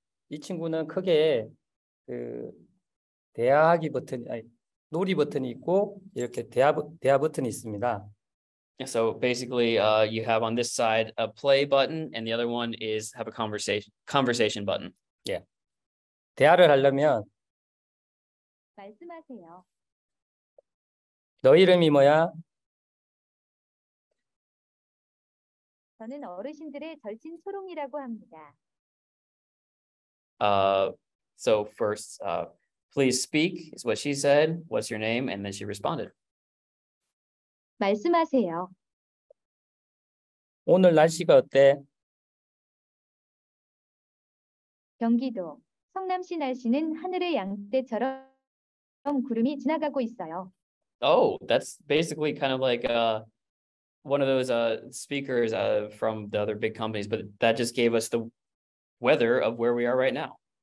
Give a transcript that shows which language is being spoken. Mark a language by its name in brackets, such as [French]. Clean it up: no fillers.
[Korean] 이 친구는 크게 그 대화하기 버튼, 아니 놀이 버튼이 있고 이렇게 대화 버튼이 있습니다. [English] So basically, you have on this side a play button, and the other one is have a conversation button. [Korean] 예. 대화를 하려면 말씀하세요. 너 이름이 뭐야? 저는 어르신들의 절친 초롱이라고 합니다. [English] So first, please speak is what she said. What's your name? And then she responded. [Korean] 말씀하세요. 오늘 날씨가 어때? 경기도 성남시 날씨는 하늘의 양떼처럼 구름이 지나가고 있어요. [English] Oh, that's basically kind of like a one of those speakers from the other big companies, but that just gave us the weather of where we are right now.